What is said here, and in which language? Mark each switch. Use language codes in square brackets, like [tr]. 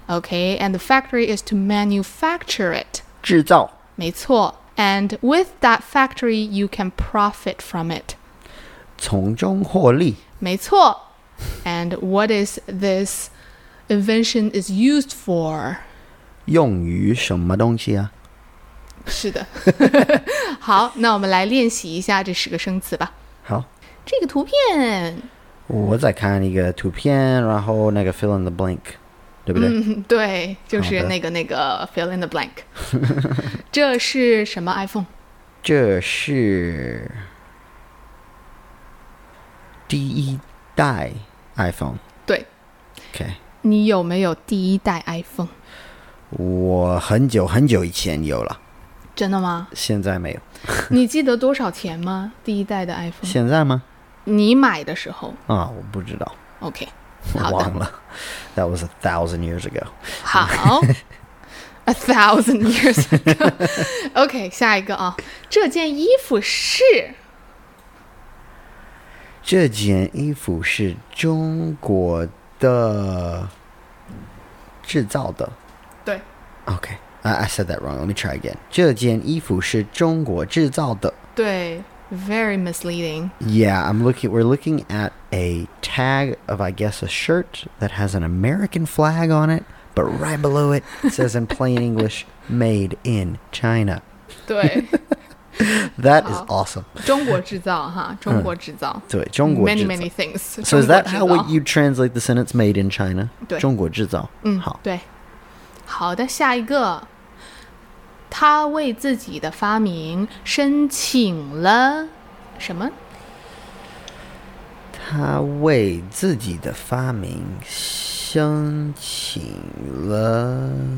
[en] Okay, and the factory is to manufacture it. [zh] 制造. 没错. [en] And with that factory, you can profit from it. [zh] 从中获利. 没错. [en] And what is this invention is used for? [zh] 用于什么东西啊? 是的 好, 那我们来练习一下这十个生词吧好这个图片我在看一个图片 然后那个 [en] fill in the blank [zh] 对不对? 对 就是那个 [en] fill in the blank [zh] 这是什么 iPhone? 这是 第一代 iPhone 对 okay. 你有没有第一代 iPhone? 我很久很久以前有了真的吗? 现在没有你记得多少钱吗?第一代的 iPhone 现在吗? 你买的时候我不知道 OK 我忘了 [en] That was 1,000 years ago [zh] 好 [en] 1,000 years ago OK [zh] 下一个啊 这件衣服是这件衣服是中国的 制造的对 [en] OK I said that wrong. Let me try again. [zh] 这件衣服是中国制造的。对, [en] very misleading. Yeah, we're looking at a tag of, I guess, a shirt that has an American flag on it, but right below it, it says in plain English, made in China. [zh] 对。 [en] That is awesome. [zh] 中国制造。 [en] Many, many things. So is that how you translate the sentence made in China? [zh] 中国制造。对。好的,下一个。他为自己的发明申请了什么? 他为自己的发明申请了